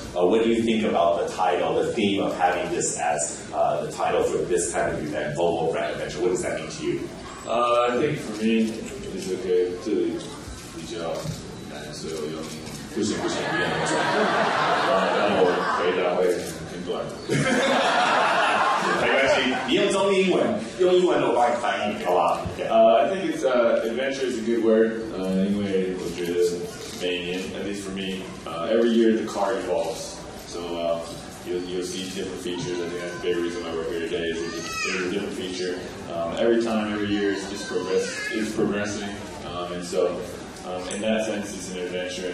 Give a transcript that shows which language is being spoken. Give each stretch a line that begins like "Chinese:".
English: What do you think about the title, the theme of having this as the title for this kind of event, Volvo Brand Adventure? What does that mean to you? I think for me, it's okay.
Chinese: 这里比较难，所以我用英文。不行，不能说。让我回答会。没关系，你用中英文，用英文的我帮你翻译，好吧？
English: I think it's adventure is a good word，
Chinese: 因为我觉得每年
English: ，at least for me， every year the car evolves， so you'll see different features. I think that's a big reason why we're here today is it's a different feature. Every time, every year it's progressing， and so in that sense it's an adventure.